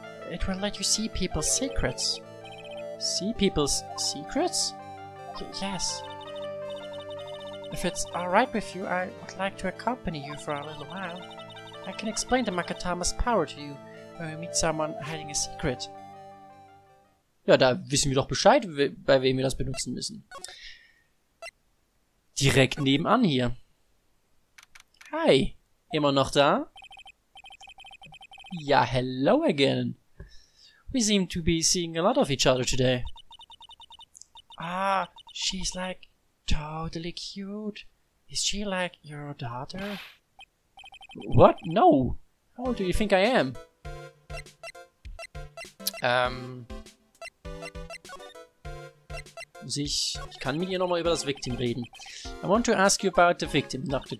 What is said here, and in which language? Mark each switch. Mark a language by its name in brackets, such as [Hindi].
[English] It will let you see people's secrets. See people's secrets? Yes. If it's alright with you, I would like to accompany you for a little while. I can explain the Makatama's power to you when we meet someone hiding a secret. [German] Ja, da wissen wir doch Bescheid, bei wem wir das benutzen müssen. Direkt nebenan hier. Hi, immer noch da? [English] Ja, hello again. We seem to be seeing a lot of each other today. Ah, she's like totally cute. Is she like your daughter? What? No. How old do you think I am? [German] Ich kann mit ihr nochmal über das Victim reden. [English] I want to ask you about the victim, Dr.